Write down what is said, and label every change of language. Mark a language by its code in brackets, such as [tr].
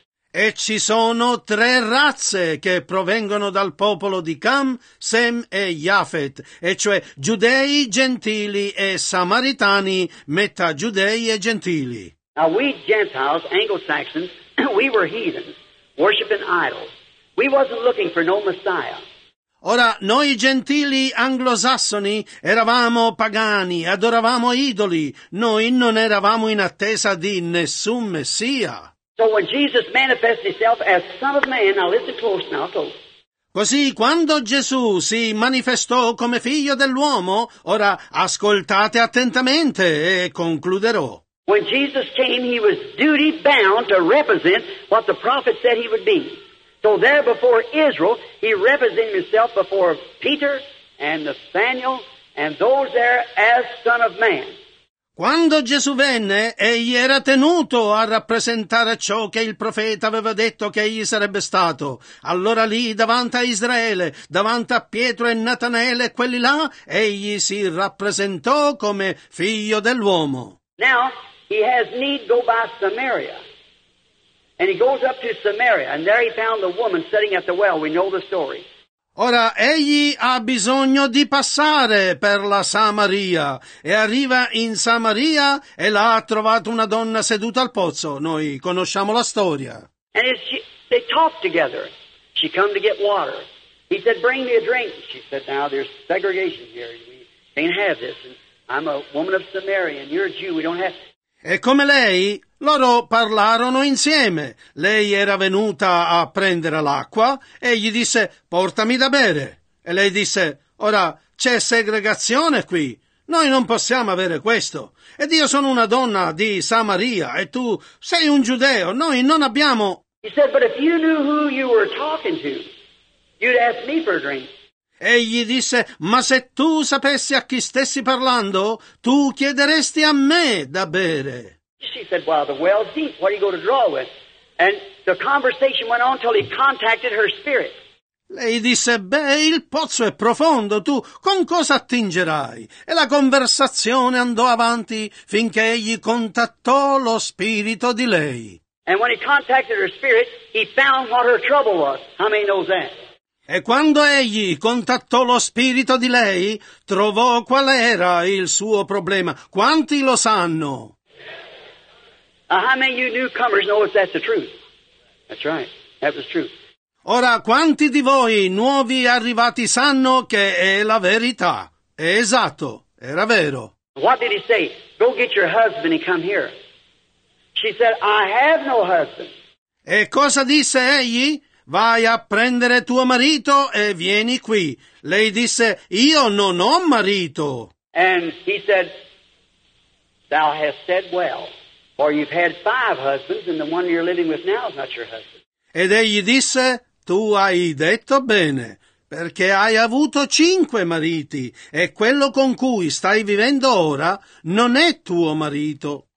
[it] E ci sono tre razze che provengono dal popolo di Cam, Sem e Japhet, e cioè giudei, gentili e samaritani, metà giudei e gentili. [en] Now we Gentiles, Anglo-Saxons, we were heathens, worshiping idols. We wasn't looking for no Messiah. [it] Ora, noi gentili anglosassoni eravamo pagani, adoravamo idoli. Noi non eravamo in attesa di nessun Messia. [en] So when Jesus manifested himself as Son of Man, now listen close now, folks. [it] Così, quando Gesù si manifestò come figlio dell'uomo, ora ascoltate attentamente e concluderò. [en] When Jesus came, he was duty bound to represent what the prophet said he would be. So there before Israel, he represented himself before Peter and Nathaniel and those there as Son of Man. [it] Quando Gesù venne, egli era tenuto a rappresentare ciò che il profeta aveva detto che egli sarebbe stato. Allora lì, davanti a Israele, davanti a Pietro e Natanaele e quelli là, egli si rappresentò come figlio dell'uomo. [en] Now, he has need to go by Samaria. And he goes up to Samaria, and there he found the woman sitting at the well. We know the story. [it] Ora, egli ha bisogno di passare per la Samaria, e arriva in Samaria, e là ha trovato una donna seduta al pozzo. Noi conosciamo la storia. [en] And they talked together. She come to get water. He said, bring me a drink. She said, now there's segregation here. We can't have this. And I'm a woman of Samaria, and you're a Jew. We don't have... [it] E come lei, loro parlarono insieme. Lei era venuta a prendere l'acqua e gli disse, portami da bere. E lei disse, ora c'è segregazione qui, noi non possiamo avere questo. Ed io sono una donna di Samaria e tu sei un giudeo, noi non abbiamo... [en] He said, but if you knew who you were talking to, you'd ask me for a drink. [it] Egli disse, ma se tu sapessi a chi stessi parlando, tu chiederesti a me da bere. [en] She said, well, the well's deep. What are you going to draw with? And the conversation went on till he contacted her spirit. [it] Lei disse, beh, il pozzo è profondo, tu con cosa attingerai? E la conversazione andò avanti finché egli contattò lo spirito di lei. [en] And when he contacted her spirit, he found what her trouble was. How many knows that? [it] E quando egli contattò lo spirito di lei, trovò qual era il suo problema. Quanti lo sanno? [en] How many of you newcomers know if that's the truth? That's right. That was true. [it] Ora, quanti di voi nuovi arrivati sanno che è la verità? È esatto. Era vero. [en] What did he say? Go get your husband and come here. She said, I have no husband. [it] E cosa disse egli? Vai a prendere tuo marito e vieni qui. Lei disse, io non ho marito. [en] And he said, thou hast said well, for you've had five husbands, and the one you're living with now is not your husband. [it] Ed egli disse, tu hai detto bene, perché hai avuto cinque mariti, e quello con cui stai vivendo ora non è tuo marito.